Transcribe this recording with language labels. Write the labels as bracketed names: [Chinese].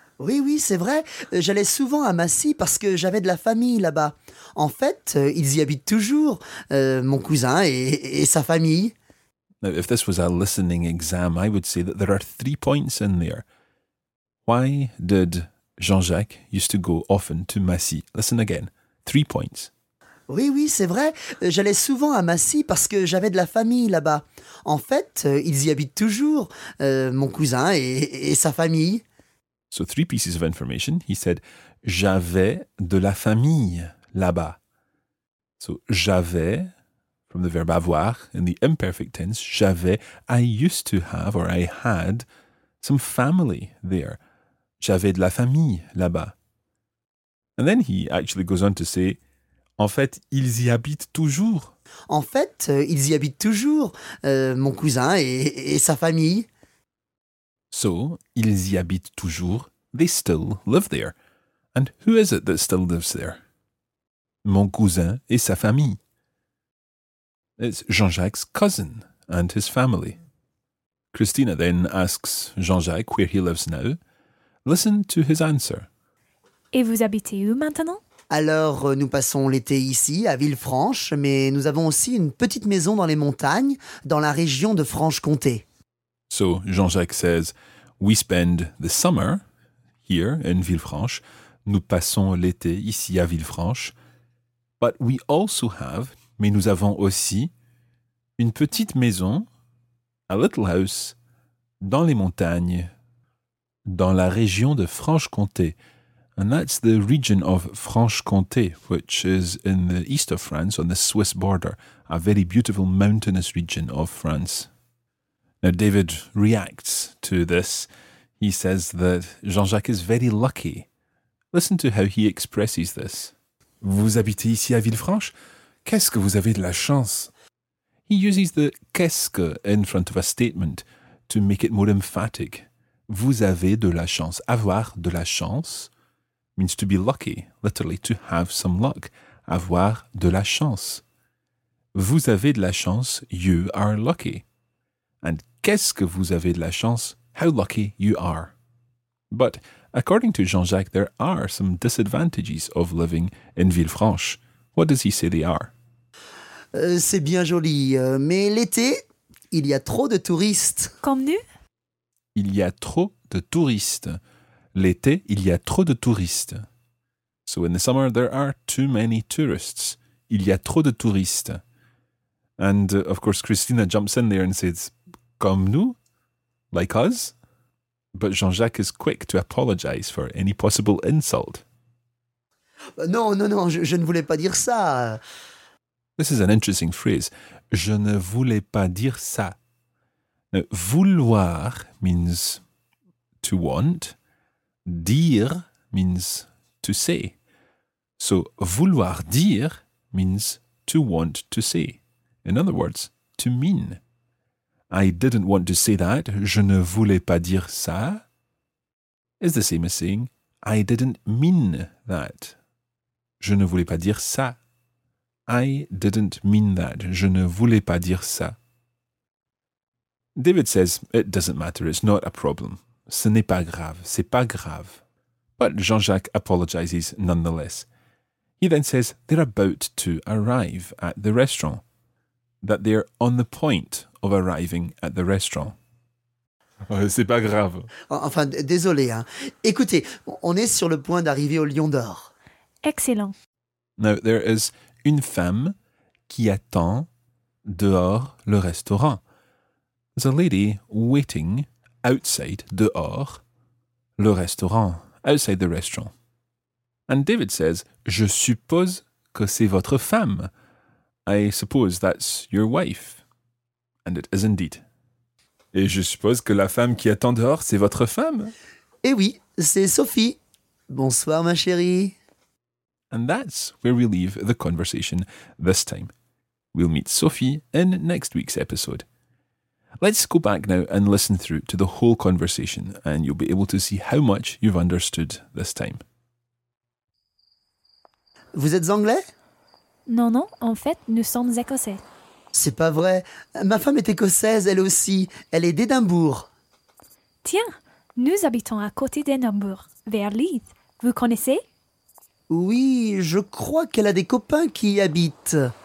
[French] Oui, oui, c'est vrai. J'allais souvent à Massy parce que j'avais de la famille là-bas. En fait, ils y habitent toujours, mon cousin et sa famille. [English] Now, if this was a listening exam, I would say that there are three points in there. Why did Jean-Jacques used to go often to Massy? Listen again. Three points. [French] Oui, oui, c'est vrai. J'allais souvent à Massy parce que j'avais de la famille là-bas. En fait, ils y habitent toujours, mon cousin et sa famille. [English] So three pieces of information. He said, [French] j'avais de la famille là-bas. [English] So [French] j'avais, [English] from the verb avoir, in the imperfect tense, j'avais, I used to have, or I had, some family there. [French] J'avais de la famille là-bas. [English] And then he actually goes on to say, [French] en fait, ils y habitent toujours. En fait, ils y habitent toujours, mon cousin et sa famille. [English] So, [French] ils y habitent toujours, [English] they still live there. And who is it that still lives there? [French] Mon cousin et sa famille. [English] It's Jean-Jacques' cousin and his family. Christina then asks Jean-Jacques where he lives now. Listen to his answer. [French] Et vous habitez où maintenant? Alors, nous passons l'été ici, à Villefranche, mais nous avons aussi une petite maison dans les montagnes, dans la région de Franche-Comté. [English] So, Jean-Jacques says, we spend the summer here in Villefranche. [French] Nous passons l'été ici à Villefranche. [English] But we also have, [French] mais nous avons aussi, une petite maison, [English] a little house, [French] dans les montagnes, dans la région de Franche-Comté. [English] And that's the region of Franche-Comté, which is in the east of France, on the Swiss border, a very beautiful mountainous region of France. Now, David reacts to this. He says that Jean-Jacques is very lucky. Listen to how he expresses this. [French] Vous habitez ici à Villefranche? Qu'est-ce que vous avez de la chance? [English] He uses the qu'est-ce que in front of a statement to make it more emphatic. [French] Vous avez de la chance. Avoir de la chance [English] means to be lucky, literally to have some luck. [French] Avoir de la chance. Vous avez de la chance, [English] you are lucky. And [French] qu'est-ce que vous avez de la chance? [English] how lucky you are. But according to Jean-Jacques, there are some disadvantages of living in Villefranche. What does he say they are? [French] C'est bien joli, mais l'été, il y a trop de touristes. Comme nous? Il y a trop de touristes. L'été, il y a trop de touristes. [English] So in the summer, there are too many tourists. [French] Il y a trop de touristes. [English] And of course, Christina jumps in there and says, [French] comme nous? [English] Like us? But Jean-Jacques is quick to apologize for any possible insult. [French] Non, je ne voulais pas dire ça. [English] This is an interesting phrase. [French] Je ne voulais pas dire ça. [English] Now, vouloir means to want. Dire means to say. So, vouloir dire means to want to say. In other words, to mean. I didn't want to say that. [French] Je ne voulais pas dire ça. [English] Is the same as saying, I didn't mean that. [French] Je ne voulais pas dire ça. [English] I didn't mean that. [French] Je ne voulais pas dire ça. [English] David says, it doesn't matter. It's not a problem. [French] Ce n'est pas grave. C'est pas grave. [English] But Jean-Jacques apologizes nonetheless. He then says they're about to arrive at the restaurant. That they're on the point of arriving at the restaurant. [French] C'est pas grave. Enfin, désolé. Hein. Écoutez, on est sur le point d'arriver au Lion d'Or. Excellent. [English] Now, there is [French] une femme qui attend dehors le restaurant. [English] There's a lady waiting outside, [French] dehors, le restaurant, [English] outside the restaurant. And David says, [French] je suppose que c'est votre femme. [English] I suppose that's your wife. And it is indeed. [French] Et je suppose que la femme qui attend dehors, c'est votre femme. Eh oui, c'est Sophie. Bonsoir, ma chérie. [English] And that's where we leave the conversation this time. We'll meet Sophie in next week's episode. Let's go back now and listen through to the whole conversation, and you'll be able to see how much you've understood this time. [French] Vous êtes anglais? Non, en fait, nous sommes écossais. C'est pas vrai. Ma femme est écossaise, elle aussi. Elle est d'Édimbourg. Tiens, nous habitons à côté d'Édimbourg, vers Leeds. Vous connaissez? Oui, je crois qu'elle a des copains qui y habitent.